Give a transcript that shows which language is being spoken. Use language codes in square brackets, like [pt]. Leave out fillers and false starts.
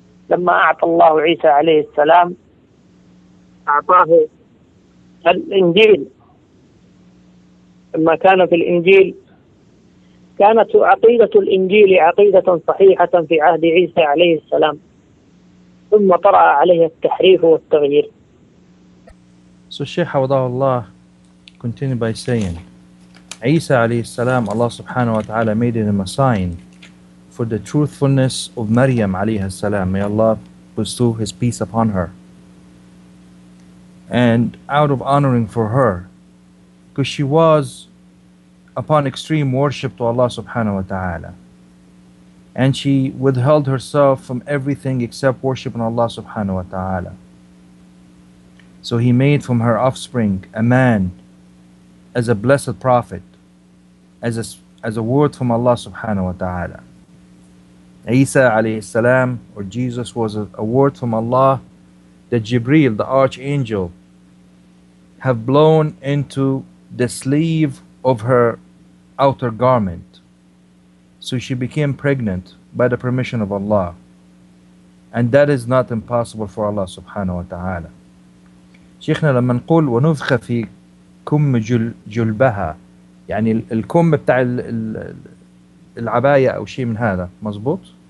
[ar] لما أعطى الله عيسى عليه السلام أعطاه الإنجيل، لما كان في الإنجيل كانت عقيدة الإنجيل عقيدة صحيحة في عهد عيسى عليه السلام، ثم طرأ عليه التحريف والتغيير. الشيخ حفظه الله [en] continue by saying, Isa alayhi salam, Allah subhanahu wa ta'ala made him a sign for the truthfulness of Maryam alayhi salam, may Allah bestow his peace upon her, and out of honoring for her, because she was upon extreme worship to Allah subhanahu wa ta'ala. And she withheld herself from everything except worshiping Allah subhanahu wa ta'ala. So he made from her offspring a man as a blessed prophet, as a word from Allah subhanahu wa ta'ala. Isa alayhi salam, or Jesus, was a word from Allah that Jibreel, the archangel, have blown into the sleeve of her outer garment. So she became pregnant by the permission of Allah. And that is not impossible for Allah subhanahu wa ta'ala. [ar] شيخنا لما نقول ونفخ في كم جلبها يعني الكم بتاع العباية أو شيء من هذا مظبوط؟